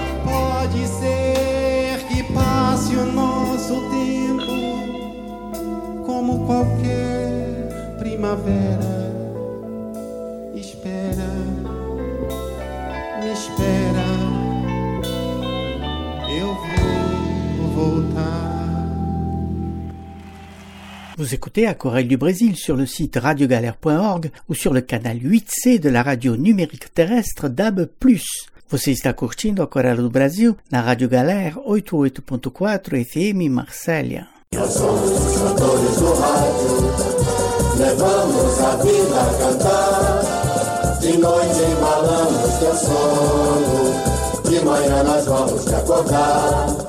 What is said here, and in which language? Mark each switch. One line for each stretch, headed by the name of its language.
Portuguese: Pode ser que passe o nosso tempo como qualquer primavera. Espera, me espera, eu vou voltar.
French: Vous écoutez à Corée du Brésil sur le site radiogalère.org ou sur le canal 8C de la radio numérique terrestre DAB+.
Portuguese: Você está curtindo a Corée do Brasil na Rádio Galère 88.4 FM Marselha. Nós somos os cantores do rádio, levamos a vida a cantar. De noite embalamos teu sono, de manhã nós vamos te acordar.